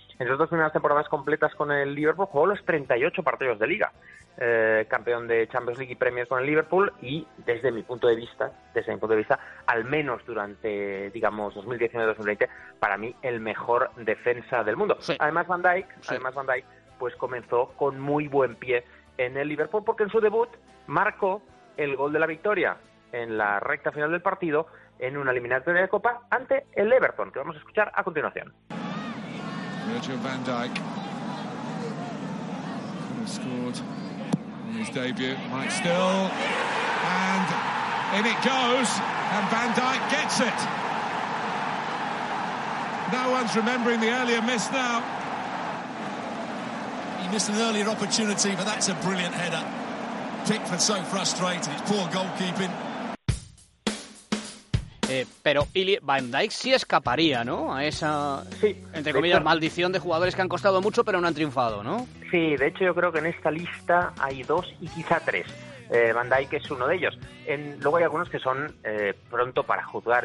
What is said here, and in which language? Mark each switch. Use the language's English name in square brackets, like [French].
[Spanish] En sus dos primeras temporadas completas con el Liverpool, jugó los 38 partidos de liga, campeón de Champions League y Premier con el Liverpool, y desde mi punto de vista, al menos durante, digamos, 2019-2020, para mí el mejor defensa del mundo. Sí. Además Van Dijk, pues comenzó con muy buen pie en el Liverpool, porque en su debut marcó el gol de la victoria en la recta final del partido, en una eliminatoria de Copa ante el Everton, que vamos a escuchar a continuación. [English] Virgil van Dijk scored on his debut. Mike Still, and in it goes, and van Dijk gets it. No one's remembering the earlier miss now. He missed an earlier opportunity, but that's a brilliant header. Pickford so frustrated, it's poor goalkeeping. [Spanish] Pero Van Dijk sí escaparía, ¿no? A esa, entre comillas, maldición de jugadores que han costado mucho pero no han triunfado, ¿no? Sí, de hecho yo creo que en esta lista hay dos y quizá tres. Van Dijk es uno de ellos. Luego hay algunos que son pronto para juzgar.